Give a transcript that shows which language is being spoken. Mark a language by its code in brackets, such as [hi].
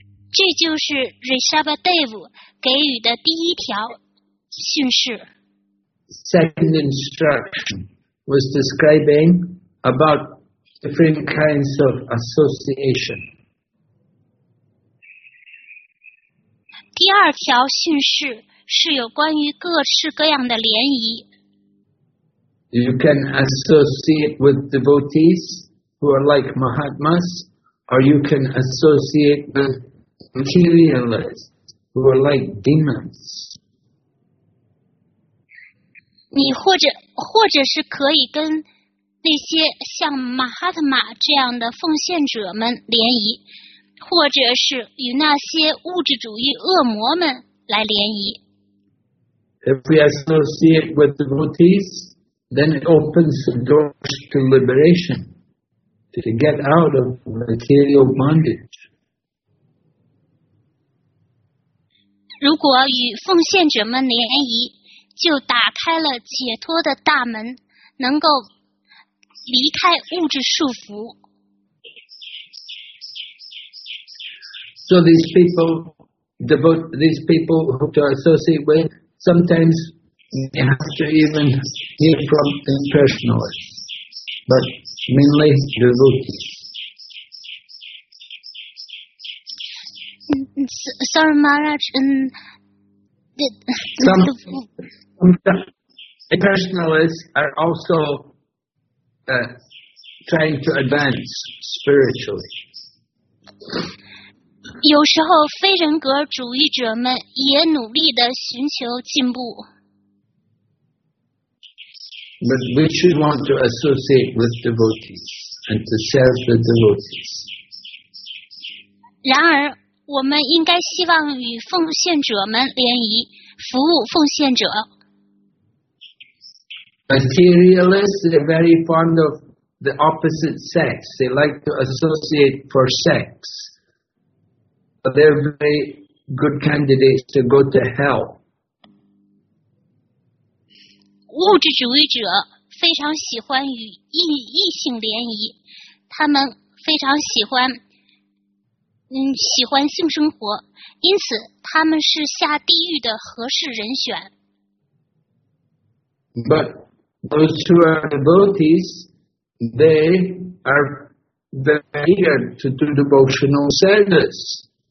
[zh] 这就是 Rishabhdev 给予的第一条姓氏。 [en] Second instruction was describing about different kinds of association. [zh] 第二条姓氏是有关于各式各样的联谊。 [en] You can associate with devotees who are like Mahatmas, or you can associate with materialists who are like demons. [zh] 你或者是可以跟那些像 Mahatma 这样的奉献者们联谊，或者是与那些物质主义恶魔们来联谊。 [en] If we associate with devotees,Then it opens the doors to liberation, to get out of material bondage. [zh] 如果与奉献者们联谊，就打开了解脱的大门，能够离开物质束缚。 [en] So these people who to associate with sometimes. You have to even hear from impersonalists, but mainly devotees. Sorry, Maharaj. Some impersonalists are also trying to advance spiritually. [zh] 有时候非人格主义者们也努力地寻求进步。 [en] But we should want to associate with devotees and to serve the devotees. [zh] 然而，我们应该希望与奉献者们联谊，服务奉献者。 [en] Materialists are very fond of the opposite sex. They like to associate for sex. But they're very good candidates to go to hell. [zh] 物质主义者非常喜欢与异性联谊，他们非常喜欢性生活，因此他们是下地狱的合适人选。 [en] But those who are devotees, they are very eager to do devotional service.